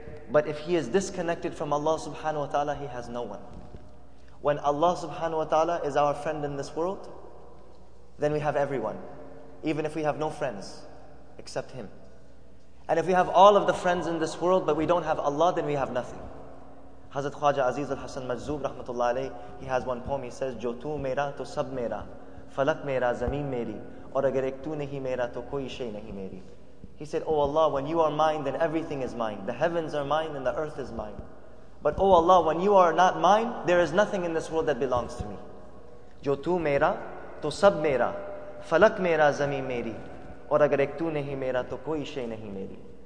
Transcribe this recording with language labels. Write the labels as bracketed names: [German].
[English] But if he is disconnected from Allah Subhanahu Wa Ta'ala, he has no one. When Allah Subhanahu Wa Ta'ala is our friend in this world, then we have everyone. Even if we have no friends, except Him. And if we have all of the friends in this world, but we don't have Allah, then we have nothing. [Urdu] Hazrat Khwaja Aziz al-Hasan Majzub, rahmatullahi alayhi, [English] he has one poem, he says, [Urdu] جو تو میرا، تو سب میرا، فلک میرا، زمیں میری، اور اگر ایک تو نہیں میرا، تو کوئی شے نہیں میری۔ [English] He said, Oh Allah, when you are mine, then everything is mine. The heavens are mine and the earth is mine. But O Allah, when you are not mine, there is nothing in this world that belongs to me. [Urdu] جو تو میرا، تو سب میرا، فلک میرا، زمیں میری، اور اگر ایک تو نہیں میرا، تو کوئی شے نہیں میری۔